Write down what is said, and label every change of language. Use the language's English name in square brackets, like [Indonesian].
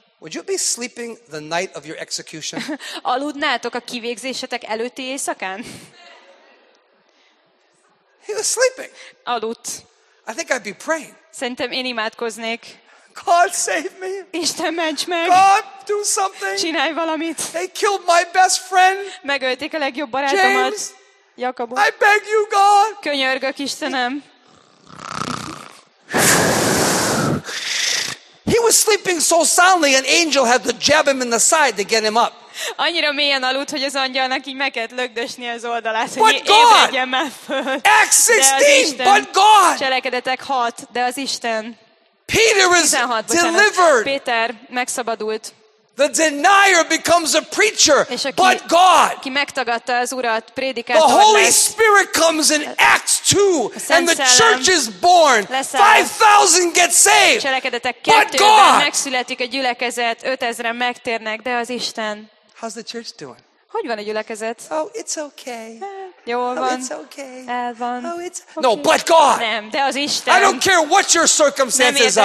[English] Would you be sleeping the night of your execution? [Hungarian] Aludnátok a kivégzésetek előtti éjszakán? [English] He was sleeping. [Hungarian] Aludt. [English] I think I'd be praying. [Hungarian] Szerintem én imádkoznék. [English] God save me. [Hungarian] Isten ments meg. [English] God, do something. [Hungarian] Csinálj valamit. [English] They killed my best friend. [Hungarian] Megölték a legjobb barátomat. [English] James. [Hungarian] Jakabot. [English] I beg you, God. [Hungarian] Könyörgök, Istenem. [English] He was sleeping so soundly, an angel had to jab him in the side to get him up. [Hungarian] Annyira mélyen aludt, hogy az angyalnak így meg kellett lögdösni az oldalát, [English] but [Hungarian] hogy ébredjen már föl. [English] Acts 16, but God. [Hungarian] Cselekedetek 6, de az Isten. [English] Peter is 16, delivered. [Hungarian] Péter megszabadult. [English] The denier becomes a preacher, but God. [Hungarian] Ki megtagadta az urat, prédikátor. [English] The Holy Spirit comes in Acts 2, and the church is born. 5,000 get saved. [Hungarian] Cselekedetek 2-ben megszületik a gyülekezet, 5,000-en megtérnek, de az Isten. [English] How's the church doing? [Hungarian] Hogy van a gyülekezet? [English] Oh, it's okay. [Hungarian] Jól van. [English] Oh, it's okay. [Hungarian] El van. [English] Oh, it's okay. No, but God. [Hungarian] Nem, de az Isten. [English] I don't care what your circumstances are.